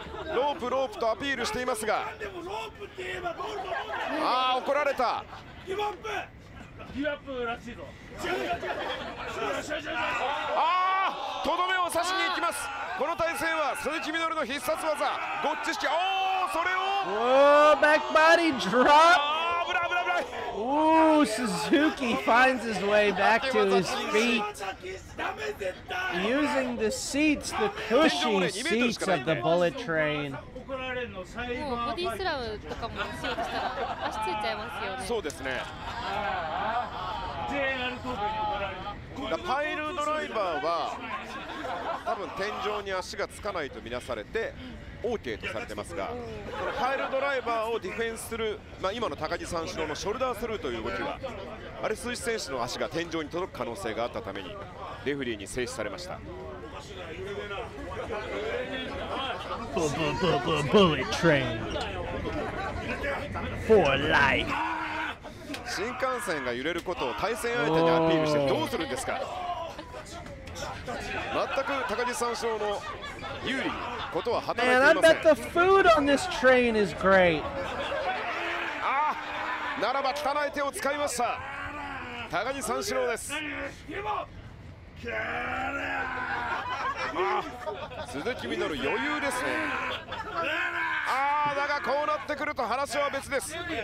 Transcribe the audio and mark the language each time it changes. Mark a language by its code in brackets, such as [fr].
[ja] ロープロープとアピールしていますが、あー怒られた、ギブアップギブアップらしいぞ、あーとどめを刺しに行きます。この対戦は鈴木みのるの必殺技ゴッチ式、おーそれをおーバックバディドロップ、あーブラブラブラ、 [en] おー Suzuki finds his way back to his feetUsing the seats, the cushy seats of the bullet train. [ja] もうボディスラムとかもしようとしたら足ついちゃいますよね。そうですね。 JR 東海に怒られる。パイルドライバーは多分天井に足がつかないとみなされて、OK とされてますが、このパイルドライバーをディフェンスする、まあ、今の高木三四郎のショルダースルーという動きは、あれ鈴木選手の足が天井に届く可能性があったためにレフリーに制止されました。 [en] ブブブブブリトレインフォーライフ、 [ja] 新幹線が揺れることを対戦相手にアピールしてどうするんですか。全く高木三四郎の有利にことは働いていません。 [en] Man, I bet the food on this train is great. [ja] ああならば汚い手を使いました、高木三四郎です。鈴木みのる余裕ですね。ああだがこうなってくると話は別です。